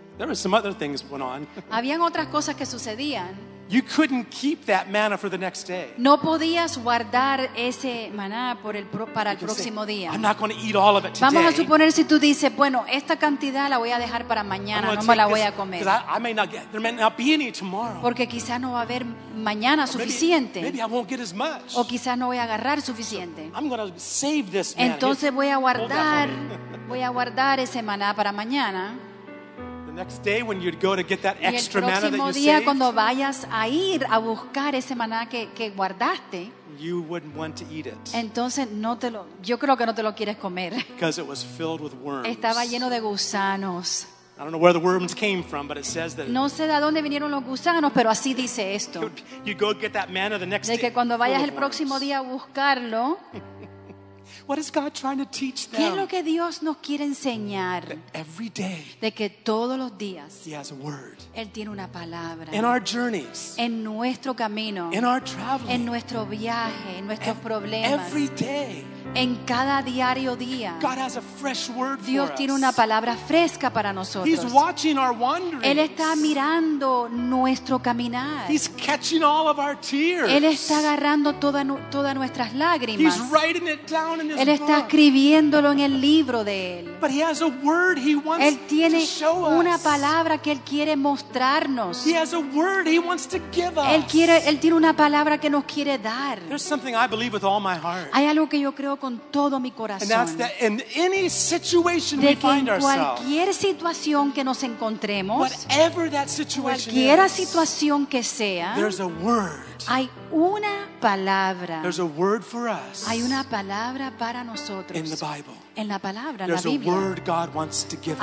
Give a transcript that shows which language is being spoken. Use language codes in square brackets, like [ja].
[en] There were some other things that went on. [es] Habían otras cosas que sucedían. [en] You couldn't keep that manna for the next day. [es] No podías guardar ese maná por el para el próximo día. [en] I'm not going to eat all of it today. [es] Vamos a suponer si tú dices, bueno, esta cantidad la voy a dejar para mañana, no me la voy a comer. [en] I may not get, there may not be any tomorrow. [es] Porque quizá no va a haber mañana suficiente. [en] Maybe I won't get as much. [es] O quizá no voy a agarrar suficiente. [en] So I'm going to save this manna. [es] Entonces voy a guardar ese maná para mañana. [en] Next day when you'd go to get that extra manna that you saved. [es] Y el próximo día cuando vayas a ir a buscar ese maná que guardaste. [en] You wouldn't want to eat it. [es] Entonces yo creo que no te lo quieres comer. [en] Because it was filled with worms. [es] Estaba lleno de gusanos. [en] I don't know where the worms came from, but it says that. [es] No sé de dónde vinieron los gusanos, pero así dice esto. [en] You go get that manna the next day. [es] De que cuando vayas el próximo día a buscarlo. [en] What is God trying to teach them? [es] ¿Qué es lo que Dios nos quiere enseñar? [en] Every day, [es] de que todos los días [en] he has a word. [es] Él tiene una palabra. [en] In our journeys, [es] en nuestro camino. [en] In our traveling, [es] en nuestro viaje, en nuestros problemas. [en] Every day, [es] en cada diario día. [en] God has a fresh word [es] Dios [en] for us. [es] Tiene una palabra fresca para nosotros. [en] He's watching our wanderings. [es] Él está mirando nuestro caminar. [en] He's catching all of our tears. [es] Él está agarrando todas nuestras lágrimas. [en] He's writing it down. [es] Él está escribiéndolo en el libro de Él. [en] But he has a word he wants [es] él tiene [en] to show us. [es] Una palabra que Él quiere mostrarnos. [en] He has a word he wants to give us. [es] Él tiene una palabra que nos quiere dar. [en] There's something I believe with all my heart. [es] Hay algo que yo creo con todo mi corazón. [en] And that's that in any situation we find ourselves, [es] de que en cualquier situación que nos encontremos, [en] whatever that situation [es] cualquiera situación que sea, [en] there's a word. [es] Hay una palabra. [en] There's a word for us. [es] Hay una palabra para nosotros. [en] In the Bible. [es] En la palabra, [en] there's [es] la Biblia. [en] A word God wants to give us.